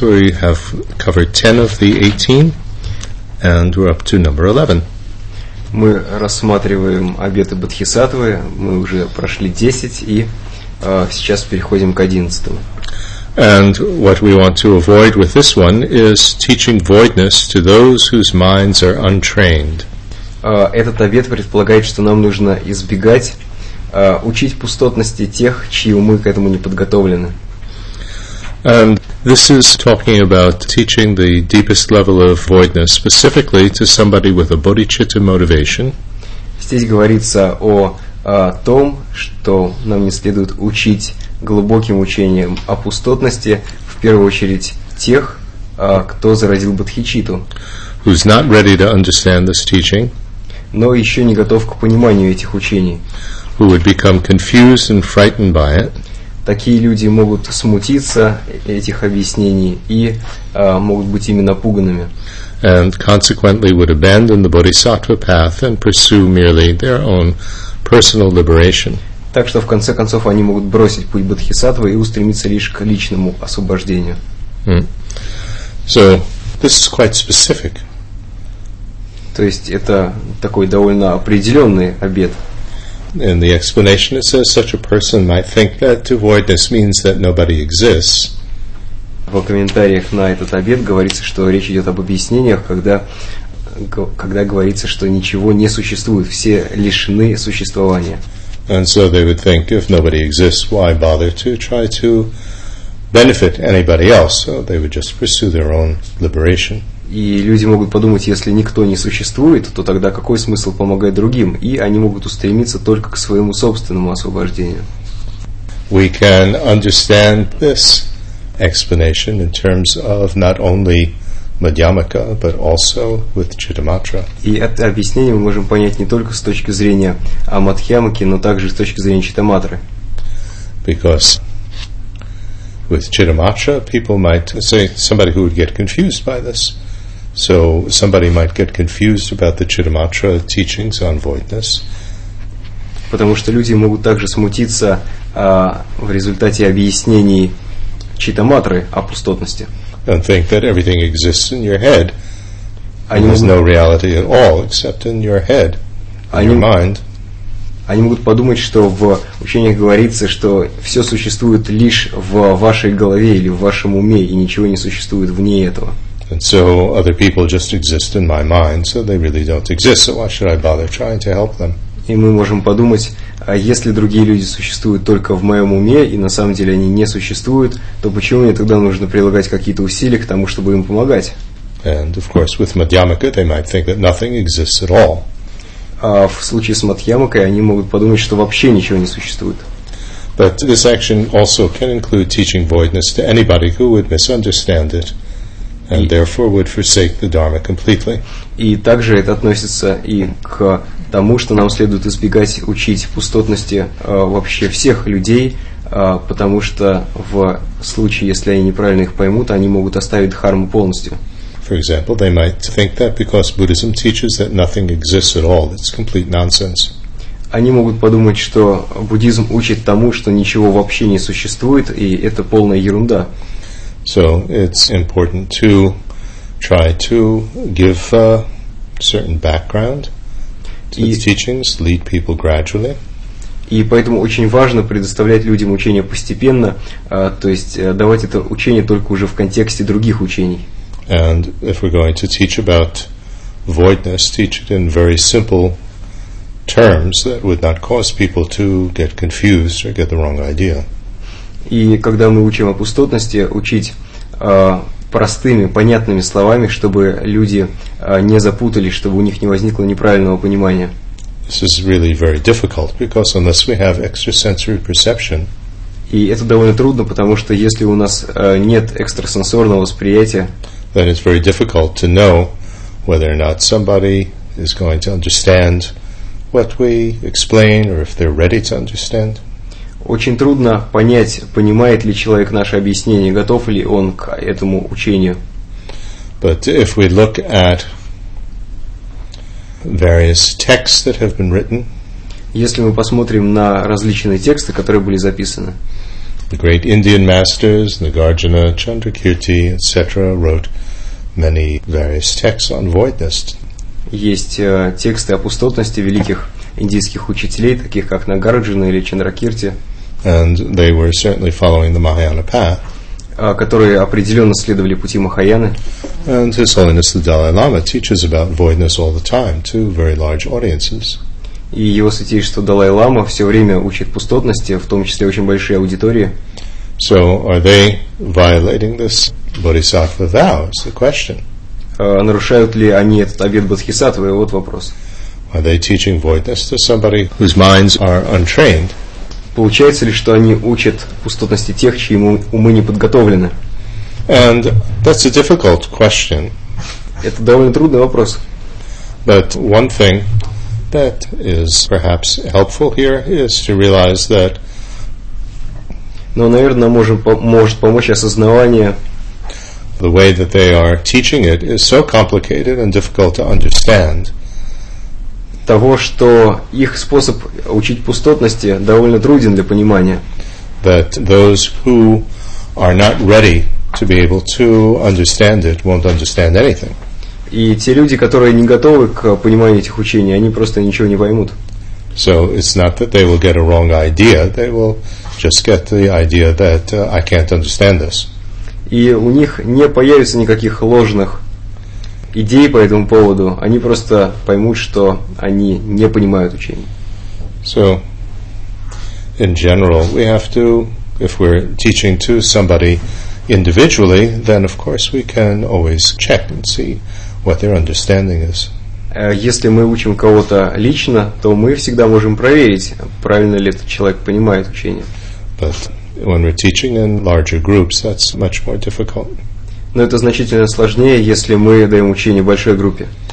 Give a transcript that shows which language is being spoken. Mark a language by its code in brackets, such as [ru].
[en] We have covered 10 of the 18, and we're up to number 11. [ru] Мы рассматриваем обеты бодхисаттвы. Мы уже прошли 10, и сейчас переходим к 11. [en] And what we want to avoid with this one is teaching voidness to those whose minds are untrained. [ru] Этот обет предполагает, что нам нужно избегать учить пустотности тех, чьи умы к этому не подготовлены. [en] And this is talking about teaching the deepest level of voidness specifically to somebody with a bodhicitta motivation. [ru] Здесь говорится о том, что нам не следует учить глубоким учением о пустотности в первую очередь тех, кто заразил бодхичитту. [en] Who's not ready to understand this teaching. [ru] Но еще не готов к пониманию этих учений. [en] Who would become confused and frightened by it. [ru] Такие люди могут смутиться этих объяснений и могут быть ими напуганными. [en] And consequently would abandon the bodhisattva path and pursue merely their own personal liberation. [ru] Так что в конце концов они могут бросить путь бодхисаттвы и устремиться лишь к личному освобождению. [en] So, this is quite specific. [ru] То есть это такой довольно определенный обет. [en] In the explanation it says such a person might think that to voidness means that nobody exists. [ru] В комментариях на этот обет говорится, что речь идет об объяснениях, когда говорится, что ничего не существует, все лишены существования. [en] And so they would think, if nobody exists, why bother to try to benefit anybody else? So they would just pursue their own liberation. [ru] И люди могут подумать, если никто не существует, то тогда какой смысл помогать другим? И они могут устремиться только к своему собственному освобождению. [en] We can understand this explanation in terms of not only Madhyamaka, but also with Chittamatra. [ru] И это объяснение мы можем понять не только с точки зрения Амадхьямаки, но также с точки зрения Читаматры. [en] Because with Chittamatra, people might say, somebody who would get confused by this. So somebody might get confused about the Chittamatra teachings on voidness. [ru] Потому что люди могут также смутиться в результате объяснений Читаматры о пустотности. [en] And think that everything exists in your head. [ru] Они [en] There's no reality at all except in your head, in your mind. [ru] Они могут подумать, что в учениях говорится, что все существует лишь в вашей голове или в вашем уме, и ничего не существует вне этого. [en] And so other people just exist in my mind, so they really don't exist. So why should I bother trying to help them? [ru] И мы можем подумать, а если другие люди существуют только в моем уме и на самом деле они не существуют, то почему мне тогда нужно прилагать какие-то усилия к тому, чтобы им помогать? [en] And of course, with Madhyamaka, they might think that nothing exists at all. [ru] А в случае с Мадхьямакой они могут подумать, что вообще ничего не существует. [en] But this action also can include teaching voidness to anybody who would misunderstand it. And therefore would forsake the Dharma completely. [ru] И также это относится и к тому, что нам следует избегать учить пустотности вообще всех людей, потому что в случае, если они неправильно их поймут, они могут оставить дхарму полностью. [en] For example, they might think that because Buddhism teaches that nothing exists at all, it's complete nonsense. [ru] Они могут подумать, что буддизм учит тому, что ничего вообще не существует, и это полная ерунда. [en] So it's important to try to give a certain background to the teachings, lead people gradually. [ru] И поэтому очень важно предоставлять людям учение постепенно, то есть давать это учение только уже в контексте других учений. [en] And if we're going to teach about voidness, teach it in very simple terms that would not cause people to get confused or get the wrong idea. [ru] И когда мы учим о пустотности, учить простыми, понятными словами, чтобы люди не запутались, чтобы у них не возникло неправильного понимания. [en] This is really very difficult, because unless we have extrasensory perception. [ru] И это довольно трудно, потому что если у нас нет экстрасенсорного восприятия, [en] then it's very difficult to know whether or not somebody is going to understand what we explain, or if they're ready to understand. [ru] Очень трудно понять, понимает ли человек наше объяснение, готов ли он к этому учению. [en] But if we look at various texts that have been written, [ru] если мы посмотрим на различные тексты, которые были записаны, [en] the great Indian masters, Nagarjuna, Chandrakirti, etc., wrote many various texts on voidness. [ru] Есть тексты о пустотности великих индийских учителей, таких как Нагарджуна или Чандракирти. [en] And they were certainly following the Mahayana path. [ru] Которые определенно следовали пути Махаяны. [en] And His Holiness the Dalai Lama teaches about voidness all the time to very large audiences. [ru] И Его Святейшество Далай Лама все время учит пустотности, в том числе очень большие аудитории. [en] So are they violating this Bodhisattva vow? Is the question. [ru] Нарушают ли они этот обет Бодхисаттвы? Вот вопрос. [en] Are they teaching voidness to somebody whose minds are untrained? [ru] Получается ли, что они учат пустотности тех, чьи умы не подготовлены? [en] And that's a difficult question. [ru] Это довольно трудный вопрос. [en] But one thing that is perhaps helpful here is to realize that. [ru] Но, наверное, может помочь осознавание. [en] The way that they are teaching it is so complicated and difficult to understand. [ru] Того, что их способ учить пустотности довольно труден для понимания. [en] That those who are not ready to be able to understand it won't understand anything. [ru] И те люди, которые не готовы к пониманию этих учений, они просто ничего не поймут. [en] So it's not that they will get a wrong idea, they will just get the idea that I can't understand this. [ru] И у них не появится никаких ложных идеи по этому поводу, они просто поймут, что они не понимают учение. [en] So, in general, we have to, if we're teaching to somebody individually, then of course we can always check and see what their understanding is. [ru] Если мы учим кого-то лично, то мы всегда можем проверить, правильно ли этот человек понимает учение. [en] But when we're teaching in larger groups, that's much more difficult. [ru] Но это значительно сложнее, если мы даем учение большой группе.